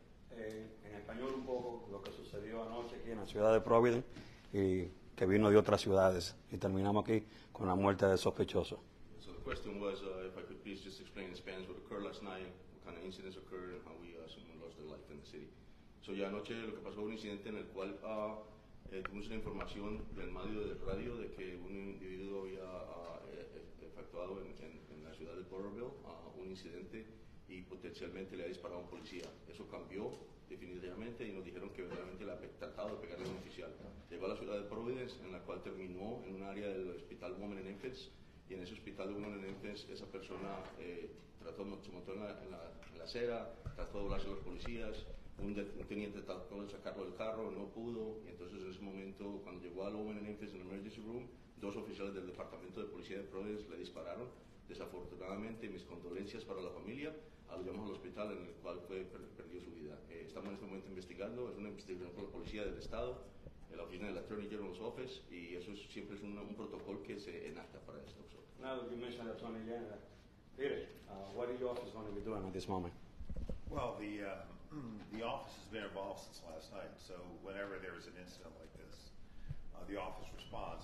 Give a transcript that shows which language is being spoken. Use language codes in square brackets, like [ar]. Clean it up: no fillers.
[es] En español un poco, lo que sucedió anoche aquí en la ciudad de Providence, y que vino de otras ciudades, y terminamos aquí con la muerte del sospechoso. [en] So the question was, if I could please just explain in Spanish what occurred last night, what kind of incidents occurred, and how we someone lost their life in the city. [es] So ya anoche lo que pasó fue un incidente en el cual tuvimos la información del medio de radio de que un individuo había efectuado en la ciudad de Borrowville un incidente y potencialmente le ha disparado a un policía. Eso cambió definitivamente y nos dijeron que verdaderamente le ha tratado de pegarle a un oficial. Llegó a la ciudad de Providence, en la cual terminó en un área del hospital Women and Infants, y en ese hospital de Women and Infants esa persona trató, se montó en la acera, trató de doblarse a los policías. Un teniente trató de sacarlo del carro, no pudo, y entonces en ese momento, cuando llegó al Women and Infants in Emergency Room, dos oficiales del Departamento de Policía de Providence le dispararon. Desafortunadamente, mis condolencias para la familia, lo llevamos al hospital en el cual perdió su vida. Estamos en este momento investigando, es una investigación por la policía del Estado, en la oficina del Attorney General's Office, y eso es, siempre es un protocolo que se enacta para esto. [en] Now that you mentioned the Attorney General, Peter, what are your office going to be doing at this moment? Well, the office has been involved since last night, so whenever there is an incident like this, the office responds.